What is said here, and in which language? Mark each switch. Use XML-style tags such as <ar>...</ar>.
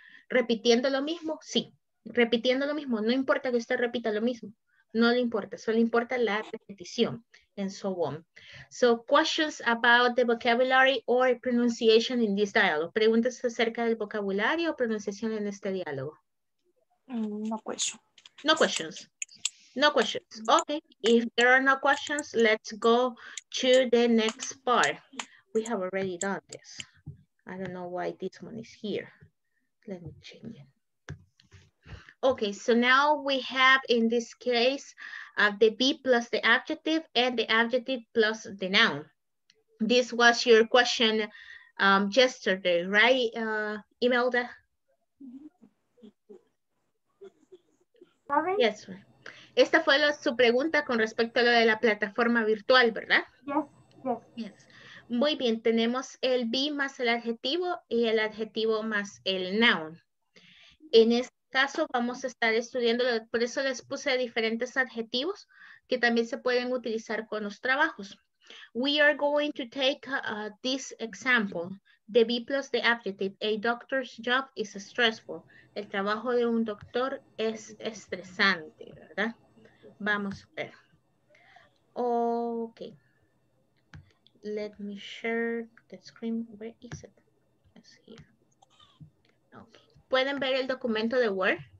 <es>¿Repitiendo lo mismo? Sí. Repitiendo lo mismo. No importa que usted repita lo mismo. No le importa. Solo importa la repetición.</es> <en>And so on. So, questions about the vocabulary or pronunciation in this dialogue.</en> <es>Preguntas acerca del vocabulario o pronunciación en este diálogo.</es> <en>No questions. Okay. If there are no questions, let's go to the next part. We have already done this. I don't know why this one is here. Let me change it. Okay, so now we have in this case the be plus the adjective and the adjective plus the noun. This was your question yesterday, right, Imelda? Sorry? Yes.</en> <es>Esta fue su pregunta con respecto a lo de la plataforma virtual, ¿verdad?</es> <en>Yes.</en> <es>Muy bien, tenemos el be más el adjetivo y el adjetivo más el noun. En este caso vamos a estar estudiando, por eso les puse diferentes adjetivos que también se pueden utilizar con los trabajos.</es> <en>We are going to take this example, the be plus the adjective, a doctor's job is stressful.</en> <es>El trabajo de un doctor es estresante, ¿verdad? Vamos a ver.</es> <en>Okay. Let me share the screen. Where is it? It's here. Okay.</en> <es>¿Pueden ver el documento de Word?</es>